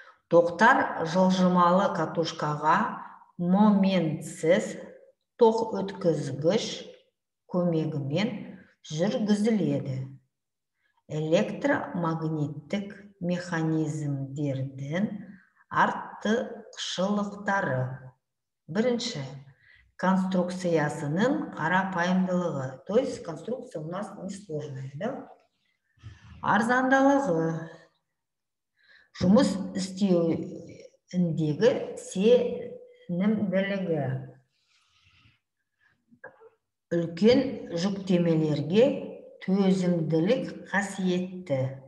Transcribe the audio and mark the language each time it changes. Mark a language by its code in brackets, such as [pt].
[kk] Тоқтар жылжымалы катушкаға моментсіз тоқ өткізгіш көмегімен жүргізіледі. Электромагниттік механизмдердің артықшылықтары. Бірінші, конструкциясының қарапайымдылығы. [ru] То есть конструкция у нас не сложная, да? [kk] Арзандалығы. Жұмыс істеуіндегі сенімділігі. Үлкен жүктемелерге төзімділік қасиетті.